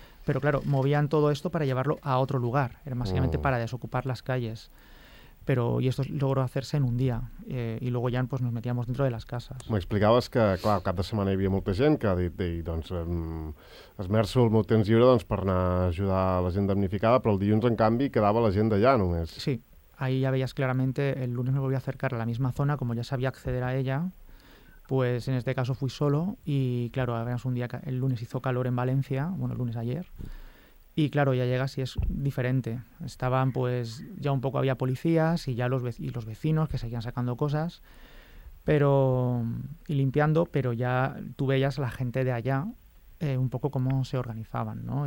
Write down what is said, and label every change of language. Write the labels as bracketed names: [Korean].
[Spanish] Pero claro, movían todo esto para llevarlo a otro lugar, era básicamente para desocupar las calles. Y esto logró hacerse en un día, y luego ya pues, nos metíamos dentro de las casas. [Catalan] M'explicaves que, clar, cap de setmana hi havia molta gent que ha dit, doncs, esmerço el meu temps lliure doncs, per anar a ajudar la gent damnificada, però el dilluns, en canvi, quedava la gent d'allà només. [Spanish] Sí, ahí ya veías claramente, el lunes me volví a acercar a la misma zona, como ya sabía acceder a ella, pues en este caso fui solo y claro, además un día, el lunes hizo calor en Valencia, bueno, el lunes ayer, y claro, ya llegas y es diferente. Estaban pues, ya un poco había policías y ya los vecinos que seguían sacando cosas y limpiando, pero ya tú veías a la gente de allá un poco cómo se organizaban, ¿no?